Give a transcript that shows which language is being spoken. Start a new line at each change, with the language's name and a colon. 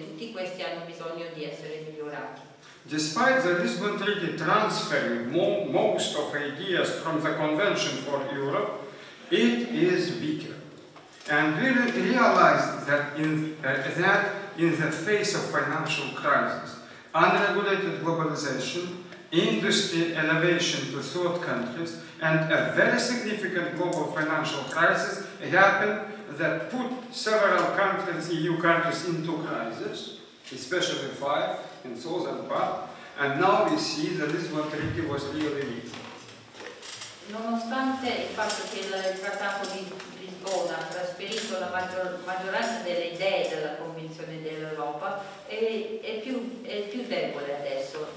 Italian: Tutti questi hanno bisogno di essere migliorati.
English: Despite the Lisbon Treaty transferring most of ideas from the Convention for Europe, it is weaker. And we realized that in the face of financial crisis, unregulated globalization, industry elevation to third countries, and a very significant global financial crisis happened that put several countries, EU countries, into crisis, especially five in southern part, and now we see that this one treaty was really needed.
Italian: Nonostante il fatto che il trattato di ha trasferito la maggioranza delle idee della Convenzione dell'Europa è più debole adesso.